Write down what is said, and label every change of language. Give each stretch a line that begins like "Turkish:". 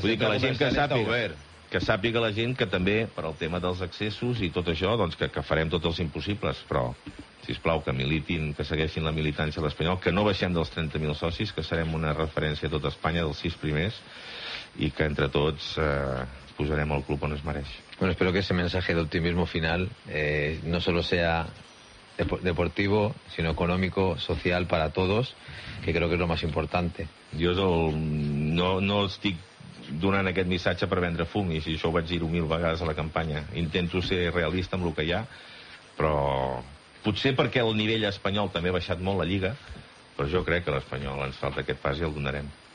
Catalan: centre comercial està obert. Que sàpiga la gent que també, per el tema dels accessos i tot això, doncs que farem tots els impossibles, però, sisplau, que militin, que segueixin la militància de l'Espanyol, que no baixem dels 30.000 socis, que serem una referència a tot Espanya dels 6 primers i que entre tots posarem el club on es mereix.
Spanish: Bueno, espero que ese mensaje de optimismo final no solo sea deportivo, sino económico, social, para todos, que creo que es lo más importante.
Catalan: Yo no estic donant aquest missatge per vendre fum, i això ho vaig dir 1.000 vegades a la campanya. Intento ser realista amb el que hi ha, però potser perquè el nivell espanyol també ha baixat molt la Lliga, però jo crec que l'Espanyol ens falta aquest pas i el donarem.